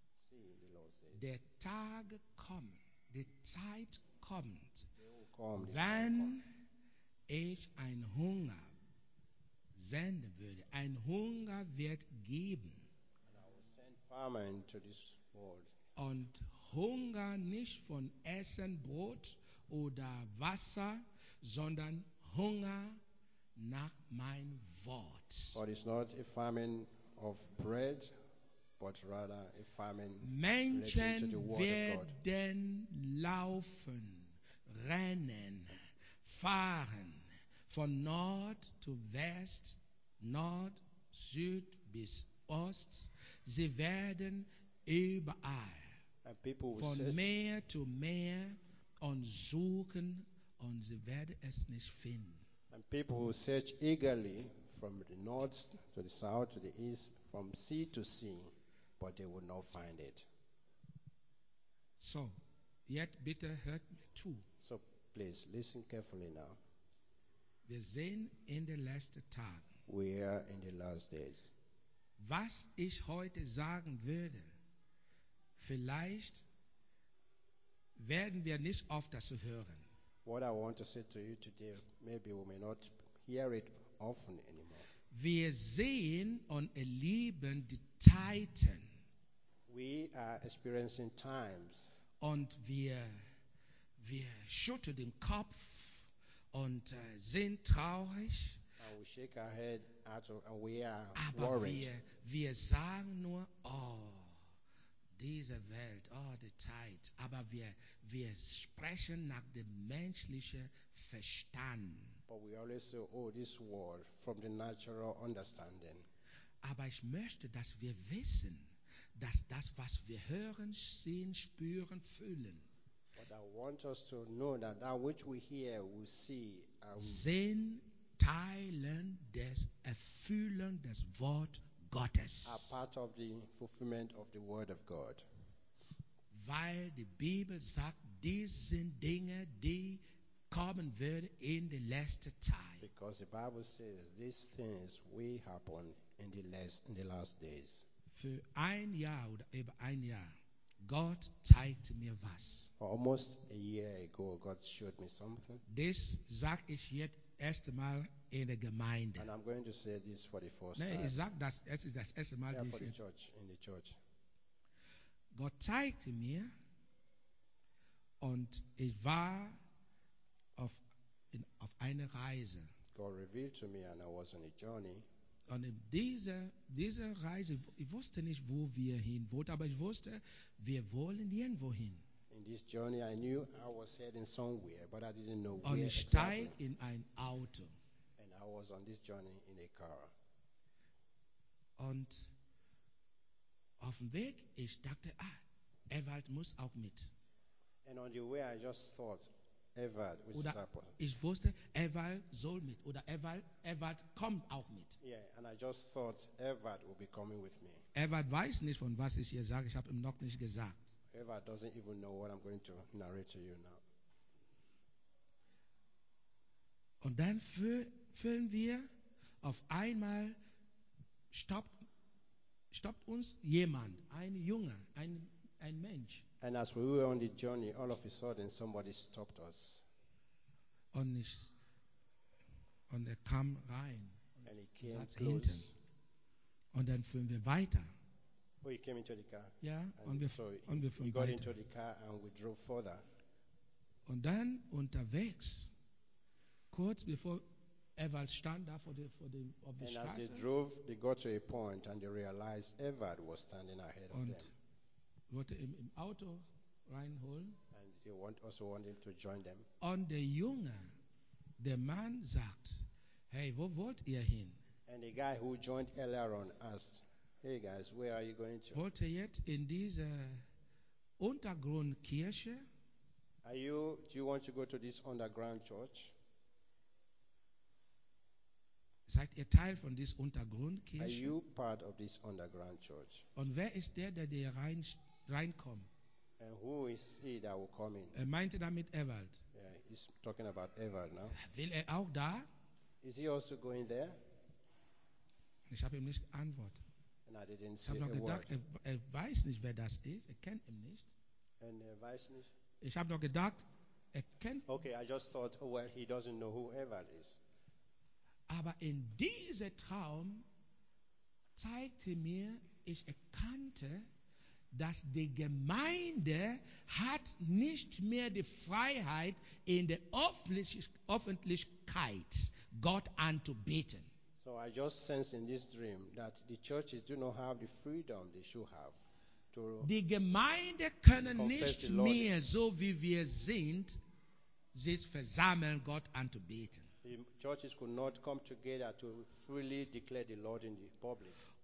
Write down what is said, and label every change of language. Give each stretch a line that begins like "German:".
English: See, the Lord says.
German: Der Tag kommt, die Zeit kommt, wenn ich ein Hunger senden würde. Ein Hunger wird geben.
English: And I will send famine to this world.
German: Und Hunger nicht von Essen, Brot oder Wasser, sondern Hunger nach mein Wort.
English: But it's not a famine of bread, but rather a famine
German: Menschen
English: to the word
German: werden
English: of God.
German: Laufen, rennen, fahren von Nord zu West, Nord, Süd bis Ost. Sie werden überall.
English: And people will
German: von
English: search.
German: Meer zu Meer und suchen und sie werden es nicht finden.
English: And people will search eagerly from the north to the south to the east, from sea to sea, but they will not find it.
German: So, yet bitte hört mir zu.
English: So, please listen carefully now.
German: Wir sind in den letzten Tagen.
English: We are in the last days.
German: Was ich heute sagen würde. Vielleicht werden wir nicht oft das hören.
English: What I want to say to you today, maybe we may not hear it often anymore.
German: Wir sehen und erleben die Zeiten.
English: We are experiencing times.
German: Und wir schütteln den Kopf und sind traurig.
English: And we shake our head out of, and we are
German: aber
English: worried.
German: Wir sagen nur, oh. Diese Welt, oh, die Zeit. Aber wir sprechen nach dem menschlichen Verstand.
English: But we always say, oh, this world, from the natural understanding.
German: Aber ich möchte, dass wir wissen, dass das, was wir hören, sehen, spüren, fühlen.
English: But I want us to know that that which we hear, we see.
German: Sind Teilen des Erfüllen des Wort Gottes.
English: Are part of the fulfillment of the word of God.
German: Weil die Bibel sagt, diese Dinge, die kommen werden
English: in the last time. Because the Bible says these things will happen in the last days.
German: Für ein Jahr oder über ein Jahr, Gott zeigt mir was.
English: Almost a year ago, God showed me something.
German: Das sage ich jetzt erstmal in der Gemeinde.
English: And I'm going to say this for the first time.
German: Nein, ich sage das, es ist das erste Mal.
English: Yeah, for the church, in the church.
German: Gott zeigt mir, und ich war auf einer Reise.
English: God revealed to me, and I was on a journey.
German: Und in dieser Reise, ich wusste nicht, wo wir hin wollten, aber ich wusste, wir wollen irgendwo hin.
English: In this journey, I knew I was heading somewhere, but I didn't know
German: und
English: where.
German: Und ich steig in ein Auto.
English: And I was on this journey in a car.
German: Und auf dem Weg, ich dachte, Ewald muss auch mit.
English: And on the way, I just thought, Ewald,
German: oder ich wusste, Ewald soll mit, oder Ewald kommt auch mit.
English: Yeah, and I just thought Ewald will be coming with me.
German: Ewald weiß nicht, von was ich hier sage. Ich habe ihm noch nicht gesagt.
English: Ewald doesn't even know what I'm going to narrate to you now.
German: Und dann füllen wir, auf einmal stoppt uns jemand, ein Junge, ein Mensch.
English: And as we were on the journey, all of a sudden, somebody stopped us.
German: Und er kam rein.
English: And he came close.
German: Und dann fuhren wir weiter.
English: Oh, he came into the car. Yeah, we got into the car and we drove further.
German: Und dann unterwegs, kurz bevor Ewald stand da auf der Straße.
English: And as they drove, they got to a point and they realized Ewald was standing ahead
German: und
English: of them.
German: Wollte ihm im Auto reinholen.
English: And they also want him to join them.
German: Und der Junge, der Mann sagt, hey, wo wollt ihr hin?
English: And the guy who joined earlier on asked, hey guys, where are you going to?
German: Wollt ihr jetzt in diese Untergrundkirche?
English: Do you want to go to this underground church?
German: Seid ihr Teil von dieser Untergrundkirche?
English: Are you part of this underground church?
German: Und wer ist der dir reinsteht? Reinkommen.
English: And who is he that will come in?
German: Er meinte damit Ewald.
English: Yeah, he's talking about Ewald now.
German: Will er auch da?
English: Is he also going there?
German: Ich habe ihm nicht geantwortet.
English: And I didn't
German: ich habe noch gedacht, er weiß nicht, wer das ist. Er kennt ihn nicht. And er weiß nicht. Ich habe noch gedacht, er kennt.
English: Okay, I just thought, oh, well, he doesn't know who Ewald is.
German: Aber in diesem Traum zeigte mir, ich erkannte, dass die Gemeinde hat nicht mehr die Freiheit in der Öffentlichkeit Gott anzubeten.
English: So I just sense in this dream that the churches do not have the freedom they should have to.
German: Die Gemeinde können nicht mehr so wie wir sind sich versammeln Gott anzubeten.
English: The churches could not come together to freely declare the Lord in the public.